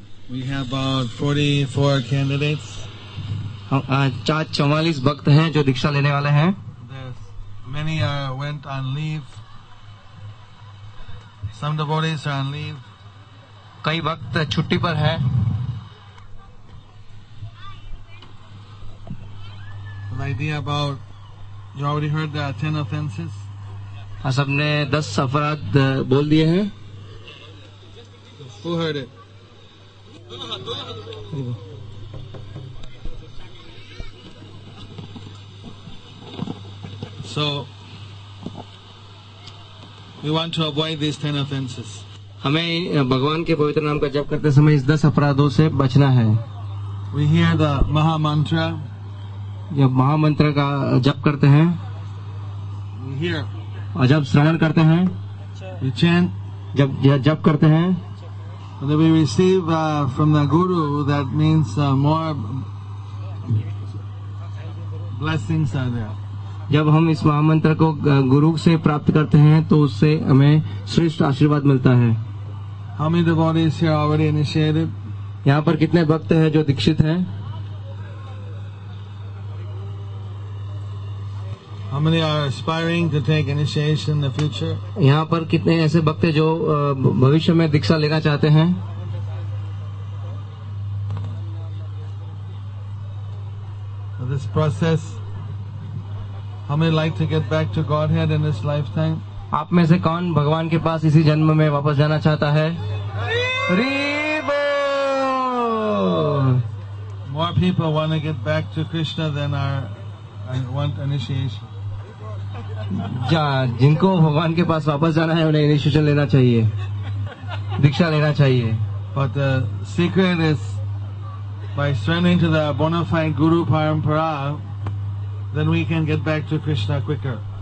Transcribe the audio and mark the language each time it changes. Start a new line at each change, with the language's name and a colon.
English: We have about 44 candidates.
Hindi: चार 44 भक्त हैं जो दीक्षा लेने वाले हैं.
English: Many went on leave. Some devotees are on leave.
Hindi: कई भक्त छुट्टी पर हैं.
English: An idea about you already heard the 10 offenses.
Hindi: सबने 10 अपराध बोल दिए हैं.
English: Who heard it? So we want to avoid these 10 offenses.
Hindi: हमें भगवान के पवित्र नाम का जप करते समय इस 10 अपराधों से बचना है.
English: We hear the mahamantra.
Hindi: जब महामंत्र का जप करते हैं.
English: We hear.
Hindi: और जब श्रवण करते हैं.
English: We chant.
Hindi: जब जप करते हैं.
English: And then we receive from the guru, that means more blessings are there.
Hindi: जब हम इस महामंत्र को गुरु से प्राप्त करते हैं तो उससे हमें श्रेष्ठ आशीर्वाद मिलता है.
English: How many devotees here already initiated?
Hindi: यहाँ पर कितने भक्त हैं जो दीक्षित हैं?
English: How many are aspiring to take initiation in the future?
Hindi: यहाँ पर कितने ऐसे भक्त हैं जो भविष्य में दीक्षा लेना चाहते हैं?
English: This process. How many like to get back to Godhead in this lifetime?
Hindi: आप में से कौन भगवान के पास इसी जन्म में वापस जाना चाहता है? Rebo!
English: More people want to get back to Krishna than want initiation.
Hindi: जिनको भगवान के पास वापस जाना है उन्हें इनिशिएशन लेना चाहिए, दीक्षा लेना चाहिए.
English: But the secret is by surrendering to the bona fide guru parampara, then we can get back to Krishna quicker.